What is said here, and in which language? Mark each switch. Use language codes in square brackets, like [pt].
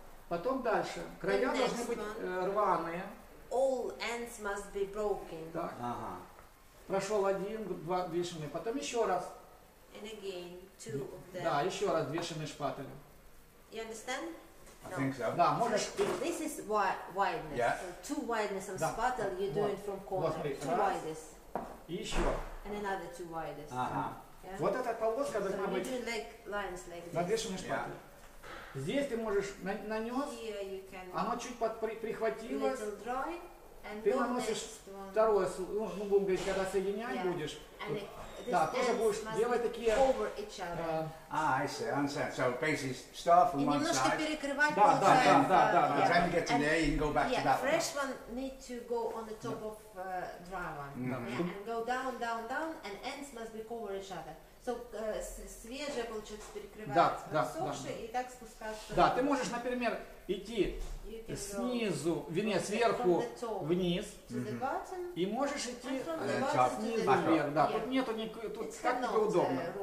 [ru] Потом дальше. Края должны быть рваные. [en] All ends must be broken. [ru] Так. Ага. Прошел один, два две ширины. Потом еще раз. [en] And again, two of them. [ru] Да, еще раз две ширины шпателя. [en] You understand? I think so. [ru] Да, можешь. [en] So, this is wideness. Yeah. So, two wideness of spatel you do it from corner. [ru] Вот, [en] two widest. [ru] И еще. [en] And another two widest. [ru] Ага. [en] Yeah. [ru] Вот эта полоска должна быть. [en] You do like lines like this. [ru] На вешенный шпатель. [en] Yeah. [ru] Здесь ты можешь нанес. Оно чуть прихватило. Ты наносишь второе, ну, будем говорить, когда соединять будешь. Тут, да, тоже будешь делать такие... [en] I see, I understand. So basically start from one [ru] немножко [en] side. [ru] Перекрывать да, да, [en] side. [ru] Да. [en] By the time you get to there, you can go back to that fresh one. Fresh one need to go on the top of dry one. And go down, and ends must be cover each other. [ru] So, свежее получается перекрывать подсохшее и так спускаться. Да, ты можешь, например, идти снизу, вернее, сверху вниз, и можешь идти снизу вверх, да, тут нету никакой, тут как тебе удобно.